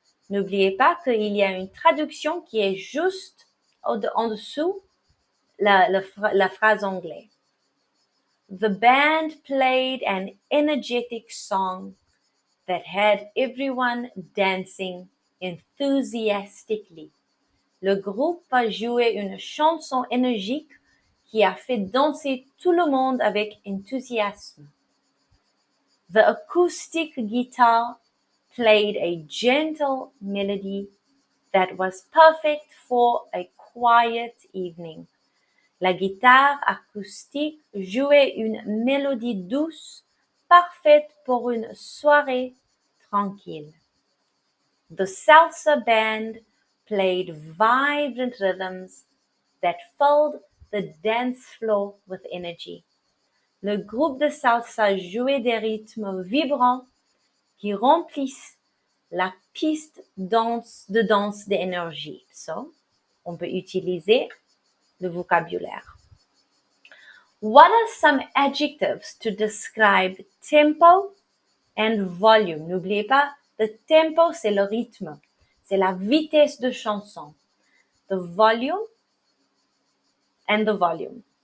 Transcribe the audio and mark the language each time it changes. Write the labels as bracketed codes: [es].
[fr] N'oubliez pas qu'il y a une traduction qui est juste en dessous la phrase anglaise. [en] The band played an energetic song that had everyone dancing enthusiastically. [fr] Le groupe a joué une chanson énergique qui a fait danser tout le monde avec enthousiasme. [en] The acoustic guitar played a gentle melody that was perfect for a quiet evening. [fr] La guitare acoustique jouait une mélodie douce, parfaite pour une soirée tranquille. [en] The salsa band played vibrant rhythms that filled the dance floor with energy. [fr] Le groupe de salsa jouait des rythmes vibrants qui remplissent la piste de danse d'énergie. So, on peut utiliser le vocabulaire. [en] What are some adjectives to describe tempo and volume? [fr] N'oubliez pas, the tempo, c'est le rythme. C'est la vitesse de chanson. [en] The volume and the volume.